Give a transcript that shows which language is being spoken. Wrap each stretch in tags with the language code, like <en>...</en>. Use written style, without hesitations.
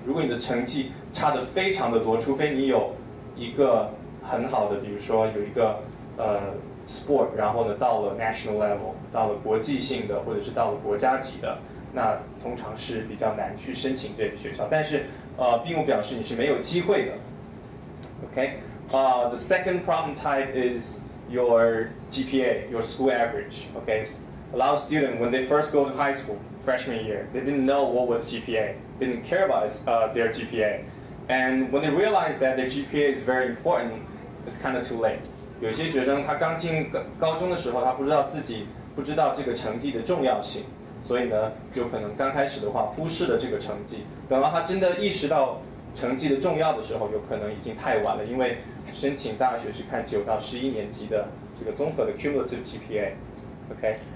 <zh>如果你的成绩差得非常的多，除非你有一个很好的，比如说有一个sport，然后呢到了 national level，到了国际性的或者是到了国家级的，那通常是比较难去申请这个学校。但是并不表示你是没有机会的。</zh> <en>OK，the second problem type is your GPA, your school average. OK。 A lot of students, when they first go to high school, freshman year, they didn't know what was GPA, didn't care about their GPA. And when they realize that their GPA is very important, it's kind of too late.</en> <zh>有些学生他刚进高中的时候，他不知道这个成绩的重要性，所以呢，有可能刚开始的话忽视了这个成绩。等到他真的意识到成绩的重要的时候，有可能已经太晚了，因为申请大学是看9到11年级的这个综合的 cumulative GPA。OK。</zh>